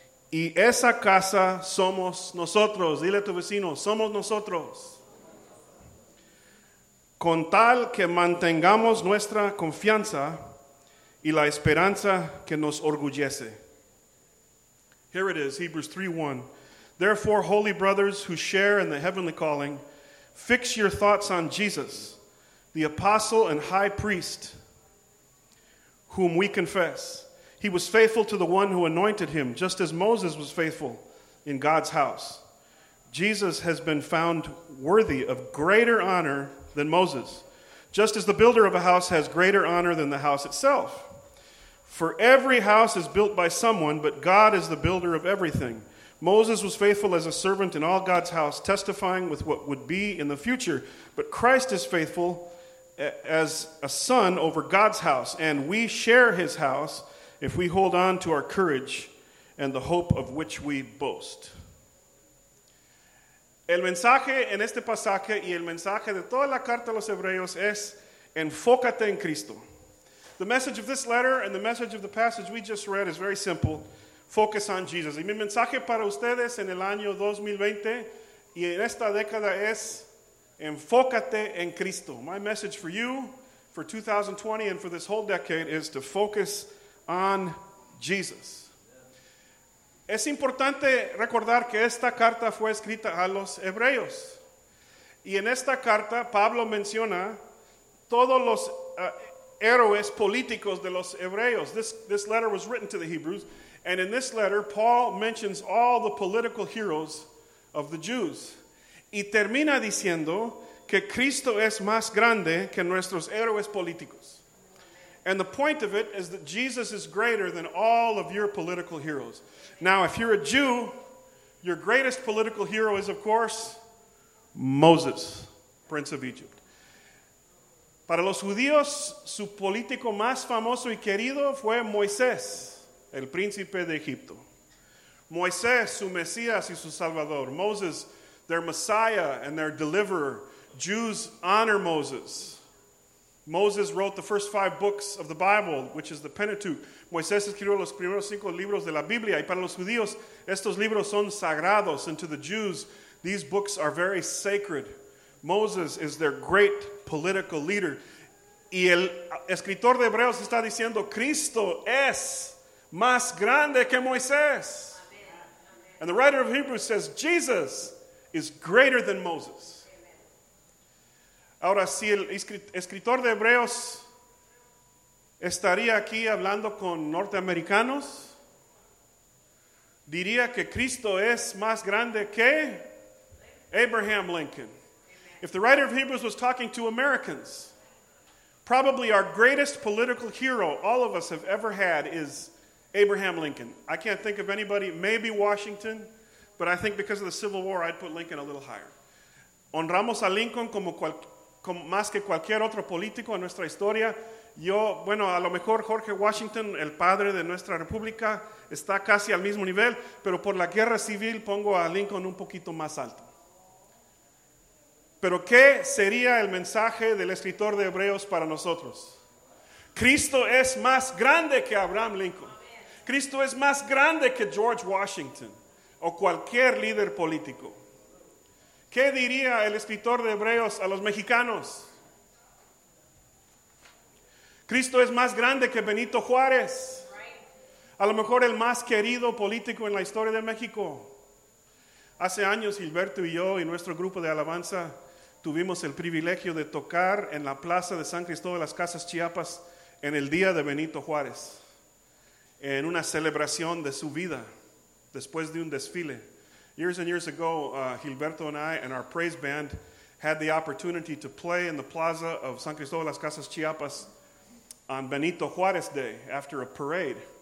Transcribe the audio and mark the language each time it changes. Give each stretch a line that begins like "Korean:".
Spanish: Y esa casa somos nosotros. Dile a tu vecino, somos nosotros. Con tal que mantengamos nuestra confianza y la esperanza que nos orgullece.
English: Here it is, Hebrews 3:1. Therefore, holy brothers who share in the heavenly calling, fix your thoughts on Jesus, the apostle and high priest, whom we confess. He was faithful to the one who anointed him, just as Moses was faithful in God's house. Jesus has been found worthy of greater honor than Moses, just as the builder of a house has greater honor than the house itself. For every house is built by someone, but God is the builder of everything. Moses was faithful as a servant in all God's house, testifying with what would be in the future. But Christ is faithful as a son over God's house, and we share his house if we hold on to our courage and the hope of which we boast.
Spanish: El mensaje en este pasaje y el mensaje de toda la carta a los hebreos es enfócate en Cristo.
English: The message of this letter and the message of the passage we just read is very simple. Focus on Jesus.
Spanish: Y mi mensaje para ustedes en el año 2020 Y en esta década es enfócate en Cristo.
English: My message for you for 2020 and for this whole decade is to focus on Jesus.
Spanish: Es importante recordar que esta carta fue escrita a los hebreos. Y en esta carta, Pablo menciona todos los héroes políticos de los hebreos.
English: This letter was written to the Hebrews. And in this letter, Paul mentions all the political heroes of the Jews.
Spanish: Y termina diciendo que Cristo es más grande que nuestros héroes políticos.
English: And the point of it is that Jesus is greater than all of your political heroes. Now, if you're a Jew, your greatest political hero is, of course, Moses, Prince of Egypt.
Spanish: Para los judíos, su político más famoso y querido fue Moisés, el príncipe de Egipto. Moisés, su Mesías y su Salvador.
English: Moses, their Messiah and their deliverer. Jews honor Moses. Moses wrote the first five books of the Bible, which is the Pentateuch.
Spanish: Moisés escribió los primeros cinco libros de la Biblia. Y para los judíos, estos libros son sagrados.
English: And to the Jews, these books are very sacred. Moses is their great political leader.
Spanish: Y el escritor de Hebreos está diciendo, Cristo es más grande que Moisés.
English: And the writer of Hebrews says, Jesus is greater than Moses.
Spanish: Ahora, si el escritor de Hebreos estaría aquí hablando con norteamericanos, diría que Cristo es más grande que Abraham Lincoln.
English: If the writer of Hebrews was talking to Americans, probably our greatest political hero all of us have ever had is Abraham Lincoln. I can't think of anybody, maybe Washington, but I think because of the Civil War, I'd put Lincoln a little higher.
Spanish: Honramos a Lincoln como cualquier más que cualquier otro político en nuestra historia. Yo, bueno, a lo mejor George Washington, el padre de nuestra república, está casi al mismo nivel, pero por la guerra civil pongo a Lincoln un poquito más alto. Pero ¿qué sería el mensaje del escritor de Hebreos para nosotros? Cristo es más grande que Abraham Lincoln. Cristo es más grande que George Washington o cualquier líder político. ¿Qué diría el escritor de Hebreos a los mexicanos? Cristo es más grande que Benito Juárez. A lo mejor el más querido político en la historia de México. Hace años Gilberto y yo y nuestro grupo de alabanza tuvimos el privilegio de tocar en la plaza de San Cristóbal de las Casas Chiapas en el día de Benito Juárez. En una celebración de su vida después de un desfile.
English: Years and years ago, Gilberto and I and our praise band had the opportunity to play in the plaza of San Cristóbal de las Casas Chiapas on Benito Juárez Day after a parade.